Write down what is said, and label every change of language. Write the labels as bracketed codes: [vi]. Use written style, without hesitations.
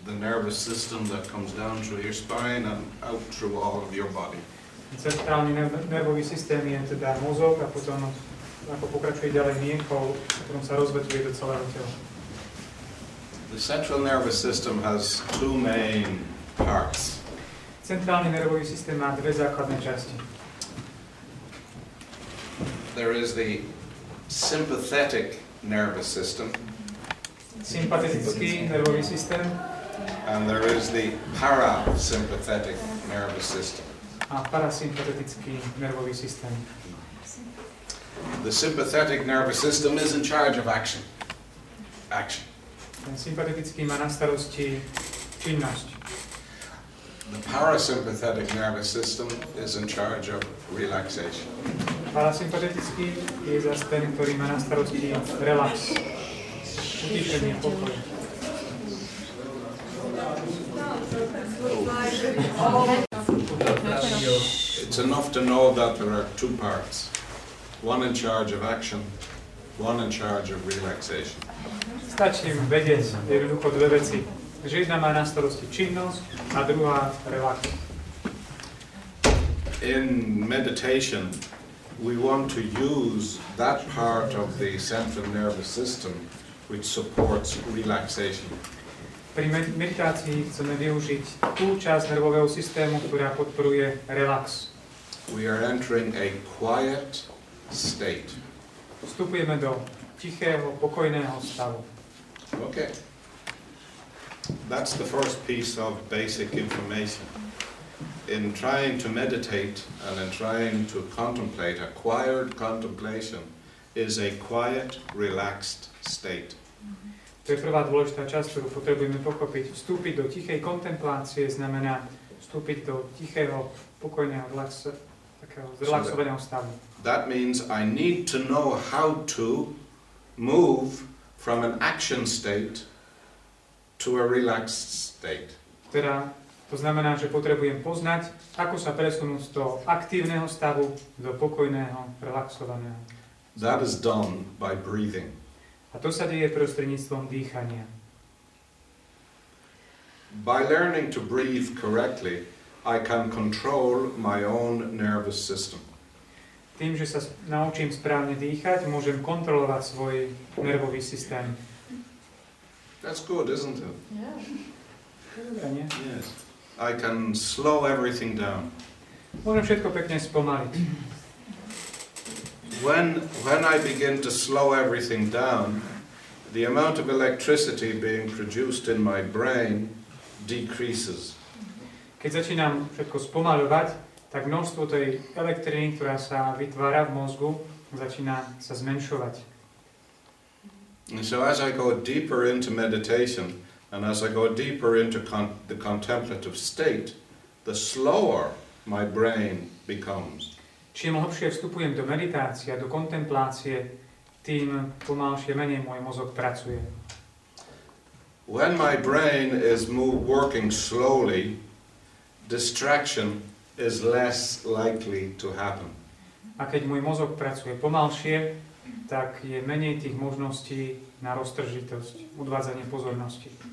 [en] nervous system that comes down through your spine and out through all of your body. [sk] Centrálny nervový systém je teda mozog a potom ako pokračuje ďalej mienkou, potom sa rozvetvuje do celého tela. [en] The central nervous system has two main parts. [sk] Centrálny nervový systém má dve základné časti. [en] There is the sympathetic nervous system. [sk] Sympatetický nervový systém. [en] And there is the parasympathetic nervous system. [sk] A parasympatetický nervový systém. [en] The sympathetic nervous system is in charge of action. Action. [sk] Ten sympatetický má na starosti činnosť. [en] The parasympathetic nervous system is in charge of relaxation. [sk] Parasympatetický je zase ten, ktorý má na starosti relax. Utišenie, pokoj. [en] It's enough to know that there are two parts. One in charge of action, one in charge of relaxation. [sk] Stačí vedieť jednoducho dve veci. Že jedna má na starosti činnosť a druhá relax. [en] In meditation, we want to use that part of the central nervous system which supports relaxation. [sk] Pri meditácii chceme využiť tú časť nervového systému, ktorá podporuje relax. [en] We are entering a quiet state. [sk] Vstupujeme do tichého, pokojného stavu. [en] Okay. That's the first piece of basic information. In trying to meditate and in trying to contemplate, acquired contemplation is a quiet, relaxed state. [sk] To je prvá dôležitá časť, ktorú potrebujeme pochopiť. Vstúpiť do tichej kontemplácie znamená vstúpiť do tichého, pokojného, takého zrelaxovaného stavu. [en] So that means I need to know how to move from an action state to a relaxed state. [sk] Teda to znamená, že potrebujem poznať, ako sa presunúť z toho aktívneho stavu do pokojného, relaxovaného. [en] That is done by breathing. [sk] A to sa deje prostredníctvom dýchania. [en] By learning to breathe correctly, I can control my own nervous system. [sk] Tým, že sa naučím správne dýchať, môžem kontrolovať svoj nervový systém. [en] That's good, isn't it? Yeah. Yes. I can slow everything down. [sk] Môžem všetko pekne spomaliť. [en] When I begin to slow everything down, the amount of electricity being produced in my brain decreases. [sk] Keď začínam všetko spomaľovať, tak množstvo tej elektriny, ktorá sa vytvára v mozgu, začína sa zmenšovať. [en] And so as I go deeper into meditation, and as I go deeper into the contemplative state, the slower my brain becomes. [sk] Čím hlbšie vstupujem do meditácie, do kontemplácie, tým pomalšie, menej môj mozog pracuje. [en] When my brain is working slowly, distraction is less likely to happen. [sk] A keď môj mozog pracuje pomalšie, tak je menej tých možností na roztržitosť, odvádzanie pozornosti.